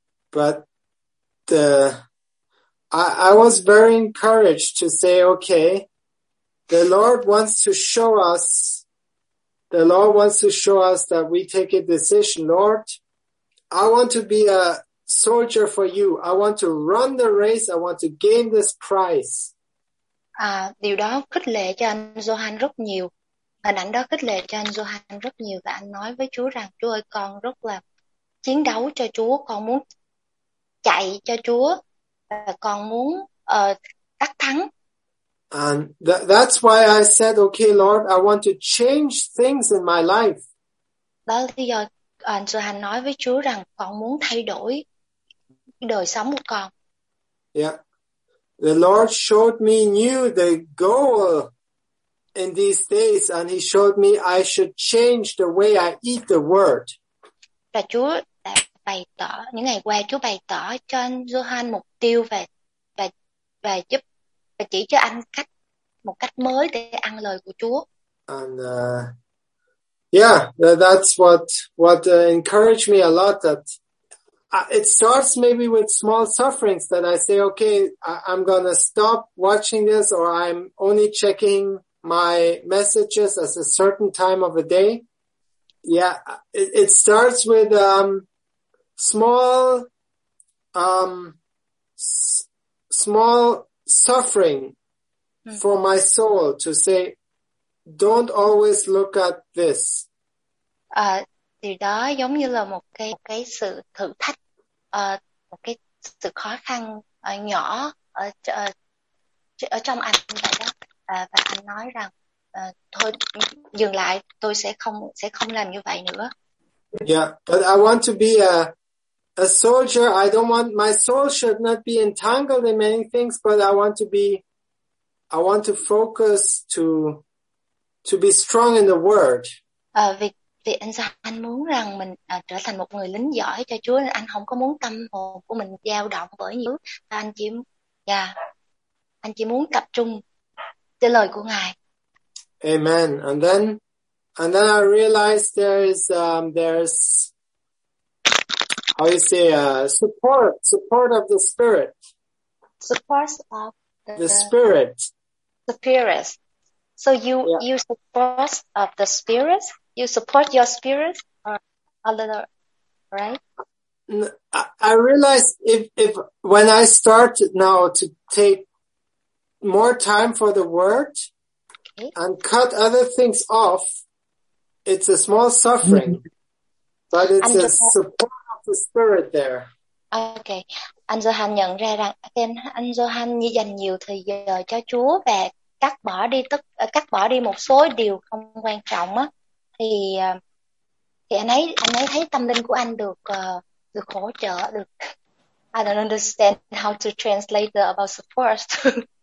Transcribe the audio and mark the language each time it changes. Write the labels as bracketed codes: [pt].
[en] But I was very encouraged to say, okay, the Lord wants to show us. The Lord wants to show us that we take a decision. Lord, I want to be a soldier for you. I want to run the race. I want to gain this prize. [vi] Điều đó khích lệ cho anh Johan rất nhiều. Hình ảnh đó khích lệ cho anh Johan rất nhiều. Và anh nói với Chúa rằng, Chúa ơi, con rất là chiến đấu cho Chúa. Con muốn chạy cho Chúa. Và con muốn đắc thắng. [en] And that's why I said, okay, Lord, I want to change things in my life. [vi] Đó là lý do anh Johan nói với Chúa rằng con muốn thay đổi đời sống của con. [en] Yeah. The Lord showed me new the goal in these days, and he showed me I should change the way I eat the word. [vi] Và Chúa đã bày tỏ, những ngày qua Chúa bày tỏ cho anh Johan mục tiêu và giúp và chỉ cho anh cách một cách mới để ăn lời của Chúa. [en] And that's what encouraged me a lot, that it starts maybe with small sufferings that I say, okay, I'm going to stop watching this, or I'm only checking my messages at a certain time of the day. Yeah, it starts with small suffering for my soul to say, don't always look at this. [vi] Thì đó giống như là một cái sự thử thách, một cái sự khó khăn nhỏ ở trong anh vậy đó. Và anh nói rằng thôi dừng lại, tôi sẽ không làm như vậy nữa. [en] Yeah, but I want to be a soldier. I don't want, my soul should not be entangled in many things, but I want to focus to be strong in the word. [vi] Vì anh muốn rằng mình trở thành một người lính giỏi cho Chúa, nên anh không có muốn tâm hồn của mình dao động bởi những thứ. Anh chỉ muốn tập trung cho lời của Ngài. [en] Amen. And then I realized there's how you say support of the Spirit. Support of the Spirit. The Spirit. So you support of the Spirit. You support your spirit or other, right? I realize if when I start now to take more time for the word, okay, and cut other things off, it's a small suffering, but it's a support of the spirit there. [vi] Okay, anh Johan nhận ra rằng anh Johan dành nhiều thời giờ cho Chúa và cắt bỏ đi một số điều không quan trọng á. Thì anh ấy thấy tâm linh của anh được hỗ trợ, được. [en] I don't understand how to translate about support.